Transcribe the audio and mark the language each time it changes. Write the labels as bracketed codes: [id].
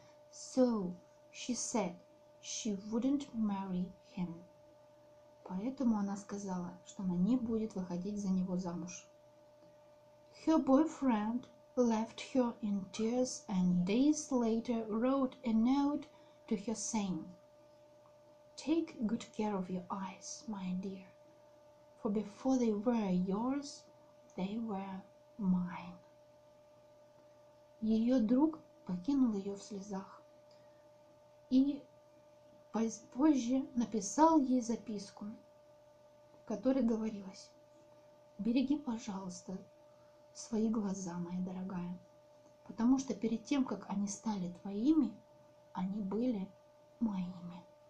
[en] So, she said, she wouldn't marry him. [ru] Поэтому она сказала, что она не будет выходить за него замуж. [en] Her boyfriend left her in tears and days later wrote a note to her saying, "Take good care of your eyes, my dear, for before they were yours, they were mine." [ru] Ее друг покинул ее в слезах и позже написал ей записку, в которой говорилось: "Береги, пожалуйста, свои глаза, моя дорогая, потому что перед тем, как они стали твоими, они были моими."